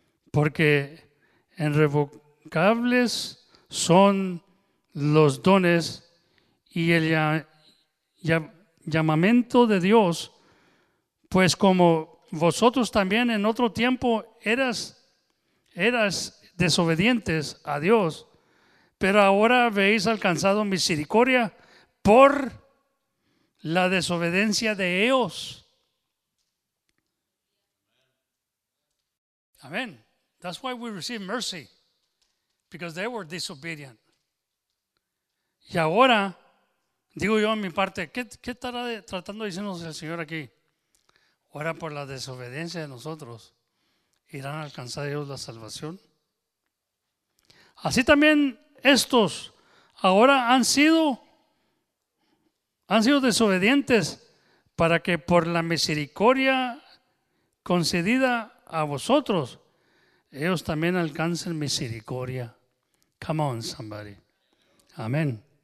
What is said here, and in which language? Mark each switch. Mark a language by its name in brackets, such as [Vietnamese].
[Spanish] Porque irrevocables son los dones y el llamamiento de Dios, pues como vosotros también en otro tiempo eras desobedientes a Dios, pero ahora habéis alcanzado misericordia por la desobediencia de ellos. Amén. [English] That's why we receive mercy, because they were disobedient. [Spanish] Y ahora, digo yo en mi parte, ¿qué estará tratando de decirnos el Señor aquí? Ahora, por la desobediencia de nosotros, ¿irán a alcanzar ellos la salvación? Así también estos ahora han sido desobedientes para que por la misericordia concedida a vosotros, ellos también alcancen misericordia. [English] Come on, somebody. [Spanish] Amén.